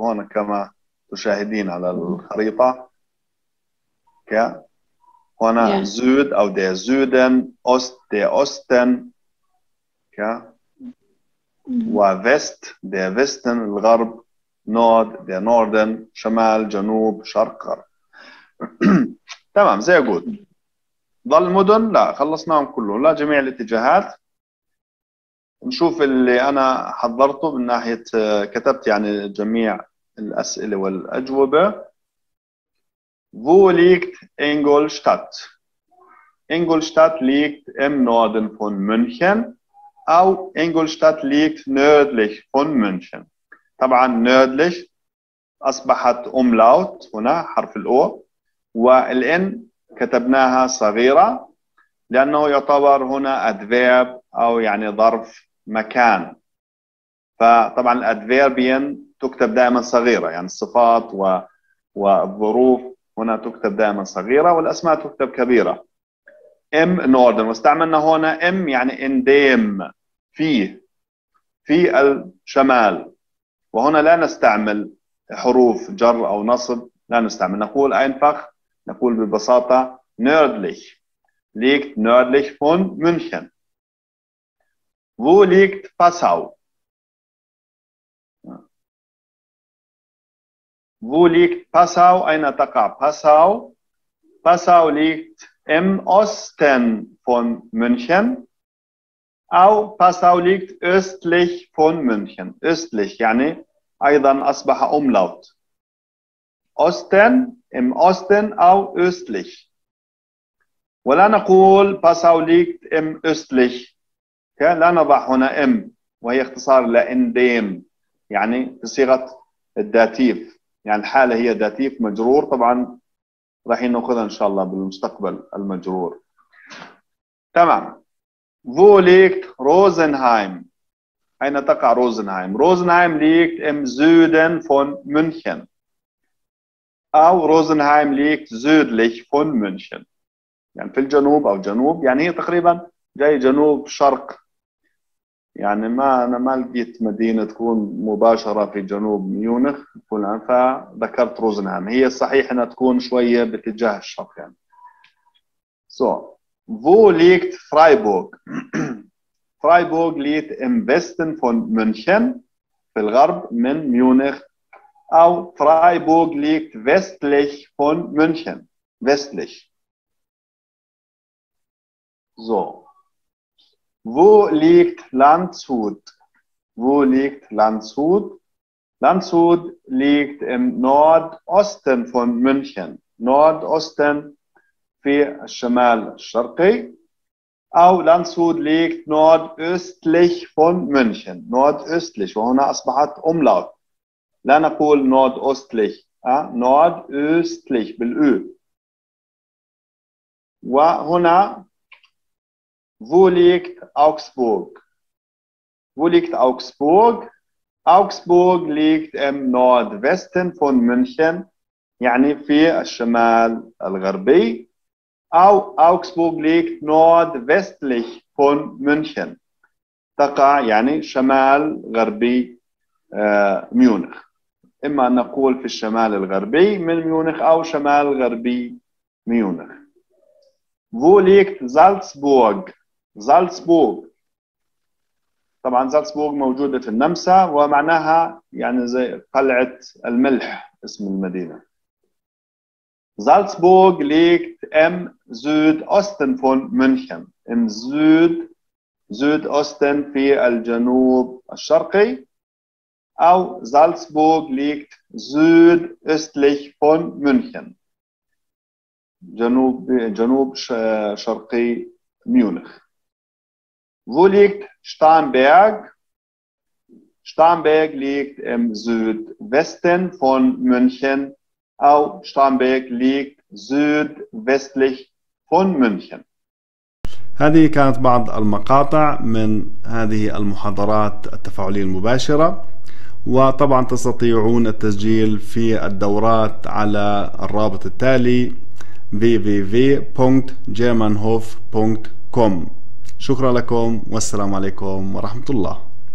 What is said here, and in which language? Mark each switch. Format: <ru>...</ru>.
<ar>هنا كما تشاهدين على الخريطة هنا زود أو دي زودن أوست دي أوستن وفست دي فستن الغرب نورد دي نوردن شمال جنوب شرق غرب. تمام زي قلت. ظل مدن لا خلصناهم كله لا جميع الاتجاهات. نشوف اللي أنا حضرته من ناحية كتبت يعني جميع الأسئلة والأجوبة.</ar> <de>Wo liegt Ingolstadt? Ingolstadt liegt im Norden von München. Auch Ingolstadt liegt nördlich von München.</de> <ar>طبعا nördlich أصبحت أملاوت هنا حرف الأو والإن كتبناها صغيرة لأنه يعتبر هنا adverb أو يعني ظرف مكان. فطبعا الأدفيربين تكتب دائما صغيرة يعني الصفات والظروف هنا تكتب دائما صغيرة والأسماء تكتب كبيرة. إم نوردن واستعملنا هنا إم يعني إنديم في الشمال. وهنا لا نستعمل حروف جر أو نصب لا نستعمل، نقول أينفخ نقول ببساطة نوردليش ليكت نوردليش فون مونشن.</ar> <de>Wo liegt Passau? Wo liegt Passau?</de> <ar>أين تقع</ar> <de>Passau? Passau liegt im Osten von München.</de> <ar>أو</ar> <de>Passau liegt östlich von München.</de> <ar>Östlich يعني أيضا أصبح أملاوت.</ar> <de>Osten im Osten</de> <ar>أو</ar> <de>östlich.</de> <ar>ولا نقول</ar> <de>Passau liegt im östlich.</de> <ar>لا نضع هنا إم وهي اختصار لإنديم يعني بصيغة الداتيف يعني الحالة هي داتيف مجرور. طبعا راح نأخذها إن شاء الله بالمستقبل المجرور. تمام.</ar> <de>Wo liegt Rosenheim؟</de> <ar>أين تقع روزنهايم؟ روزنهايم</ar> <de>liegt im Süden von München</de> <ar>أو روزنهايم</ar> <de>liegt südlich von München</de> <ar>يعني في الجنوب أو جنوب يعني هي تقريبا جاي جنوب شرق يعني ما لقيت مدينة تكون مباشرة في جنوب ميونخ كلها فذكرت روزنهايم. هي صحيح أنها تكون شوية باتجاه الشرق يعني.</ar> <de>So wo liegt Freiburg? Freiburg liegt im Westen von München</de> <ar>في الغرب من ميونخ أو</ar> <de>Freiburg liegt westlich von München westlich. So wo liegt Landshut? Wo liegt Landshut? Landshut liegt im Nordosten von München.</de> <ar>Nordosten في الشمال الشرقي. أو</ar> <de>Landshut liegt nordöstlich von München.</de> <ar>Nordöstlich. وهنا أصبحت أملاوت. لا نقول nordöstlich. Nordöstlich بالأو. وهنا</ar> <de>Wo liegt Augsburg? Wo liegt Augsburg? Augsburg liegt im Nordwesten von München,</de> <ar>يعني في الشمال الغربي.</ar> <de>Augsburg liegt nordwestlich von München.</de> <ar>تقع يعني شمال غربي ميونخ. إما نقول في الشمال الغربي من ميونخ أو شمال غربي ميونخ.</ar> <de>Wo liegt Salzburg? Salzburg.</de> <ar>طبعا زالتسبورغ موجودة في النمسا ومعناها يعني زي قلعة الملح اسم المدينة.</ar> <de>زالتسبورغ liegt im Südosten von München.</de> <ar>Im Südosten في الجنوب الشرقي. أو</ar> <de>زالتسبورغ liegt südöstlich von München.</de> <ar>جنوب شرقي ميونخ.</ar> <de>Wo liegt Starnberg? Starnberg liegt im Südwesten von München. Auch Starnberg liegt südwestlich von München.</de> <ar>هذه كانت بعض المقاطع من هذه المحاضرات التفاعلية المباشرة. وطبعا تستطيعون التسجيل في الدورات على الرابط التالي www.germanhof.com. شكرا لكم والسلام عليكم ورحمة الله.</ar>